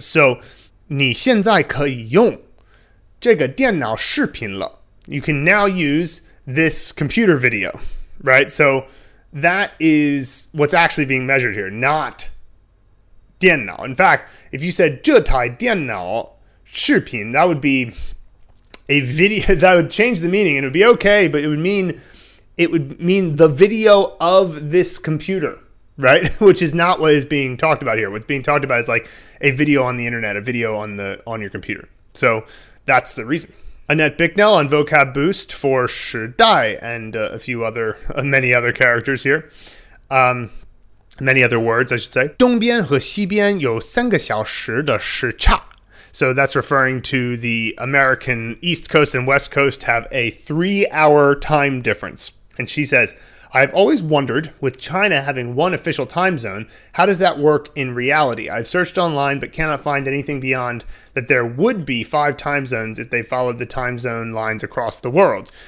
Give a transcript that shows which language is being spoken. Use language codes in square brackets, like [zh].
[zh] So 你现在可以用这个电脑视频了. [en] You can now use this computer video, right? So that is what's actually being measured here, not 电脑. In fact, if you said [zh] 这台电脑, [en] 视频, that would be a video that would change the meaning and it would be okay, but it would mean the video of this computer, right? Which is not what is being talked about here. What's being talked about is like a video on the internet, a video on your computer. So that's the reason. Annette Bicknell on Vocab Boost for 时代 and a few other, many other characters here. Many other words, I should say. [zh] 东边和西边有三个小时的时差. [en] So that's referring to the American East Coast and West Coast have a 3-hour time difference. And she says, I've always wondered, with China having one official time zone, how does that work in reality? I've searched online but cannot find anything beyond that there would be 5 time zones if they followed the time zone lines across the world.